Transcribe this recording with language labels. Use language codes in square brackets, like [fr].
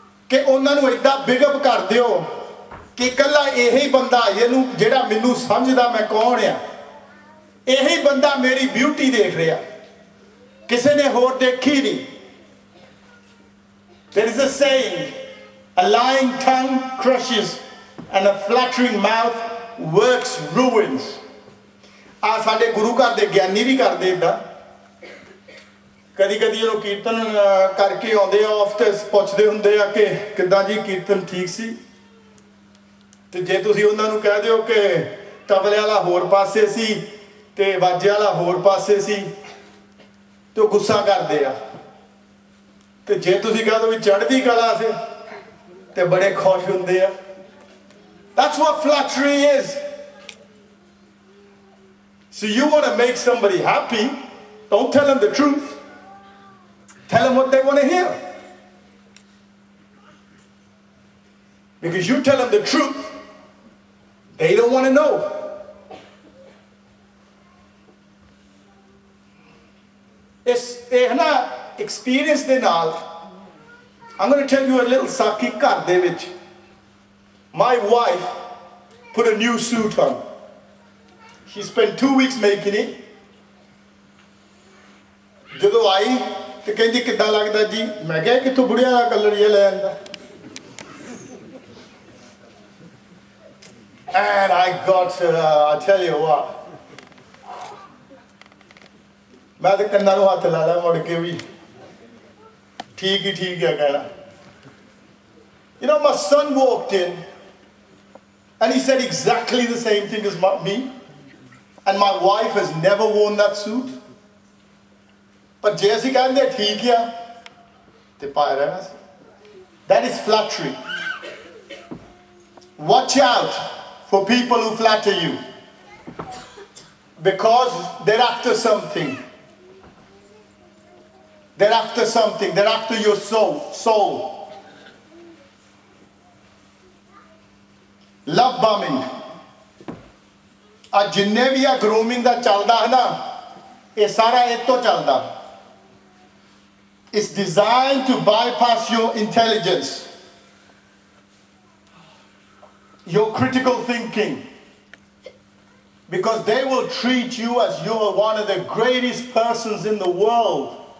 [pa] ਕਿ ਉਹਨਾਂ ਨੂੰ ਇੱਦਾਂ [en] big up [pa] ਕਰ ਦਿਓ ਕਿ ਇਕੱਲਾ ਇਹੀ ਬੰਦਾ ਇਹਨੂੰ ਜਿਹੜਾ ਮੈਨੂੰ ਸਮਝਦਾ ਮੈਂ ਕੌਣ ਆ, ਇਹੀ ਬੰਦਾ ਮੇਰੀ ਬਿਊਟੀ ਦੇਖ ਰਿਹਾ, ਕਿਸੇ ਨੇ ਹੋਰ ਦੇਖੀ ਨਹੀਂ. [en] There is a saying, a lying tongue crushes and a flattering mouth works ruins. [pa] ਆ ਸਾਡੇ ਗੁਰੂ ਘਰ ਦੇ ਗਿਆਨੀ ਵੀ ਕਰਦੇ ਇੱਦਾਂ ਕਦੀ ਕਦੀ. ਉਹ ਕੀਰਤਨ ਕਰਕੇ ਆਉਂਦੇ ਆ, ਆਫ ਤੇ ਪੁੱਛਦੇ ਹੁੰਦੇ ਆ ਕਿ ਕਿੱਦਾਂ ਜੀ ਕੀਰਤਨ ਠੀਕ ਸੀ, ਤੇ ਜੇ ਤੁਸੀਂ ਉਹਨਾਂ ਨੂੰ ਕਹਿ ਦਿਓ ਕਿ ਤਬਲੇ ਵਾਲਾ ਹੋਰ ਪਾਸੇ ਸੀ ਤੇ ਵਾਜੇ ਵਾਲਾ ਹੋਰ ਪਾਸੇ ਸੀ, ਤੇ ਉਹ ਗੁੱਸਾ ਕਰਦੇ ਆ. ਤੇ ਜੇ ਤੁਸੀਂ ਕਹਿ ਦਿਓ ਵੀ ਚੜ੍ਹਦੀ ਕਲਾ ਸੀ ਤੇ ਬੜੇ ਖੁਸ਼ ਹੁੰਦੇ ਆ. [en] That's what flattery is. So you want to make somebody happy, don't tell them the truth. Tell them what they want to hear. Because you tell them the truth, they don't want to know. It's an experience they know. I'm going to tell you a little [pa] saki kar de vich. [en] My wife put a new suit on. She spent 2 weeks making it. [pa] Jadon aayi ਤੇ ਕਹਿੰਦੀ ਕਿੱਦਾਂ ਲੱਗਦਾ ਜੀ, ਮੈਂ ਕਿਹਾ ਕਿੱਥੋਂ ਬੁੜਿਆ ਦਾ colour ਜਿਹਾ ਲੈ ਆਉਂਦਾ. [en] And I got I tell you what, [pa] ਮੈਂ ਤੇ ਕੰਨਾਂ ਨੂੰ ਹੱਥ ਲਾ ਲਿਆ ਮੁੜ ਕੇ ਵੀ ਠੀਕ ਹੀ ਠੀਕ ਆ ਕਹਿਣਾ. [en] You know, my son walked in and he said exactly the same thing as me, and my wife has never worn that suit. [pa] ਪਰ ਜੇ ਅਸੀਂ ਕਹਿੰਦੇ ਠੀਕ ਆ ਤੇ ਪਾ ਰਹਿਣਾ ਸੀ. [en] That is flattery. Watch out for people who flatter you, because they're after something, they're after something, they're after your soul. [pa] ਲਵ ਬਾਮਿੰਗ, ਆ ਜਿੰਨੇ ਵੀ ਆ ਗਰੂਮਿੰਗ ਦਾ ਚੱਲਦਾ ਹੈ ਨਾ, ਇਹ ਸਾਰਾ ਇੱਥੋਂ ਚੱਲਦਾ. [en] It's designed to bypass your intelligence, your critical thinking, because they will treat you as you are one of the greatest persons in the world.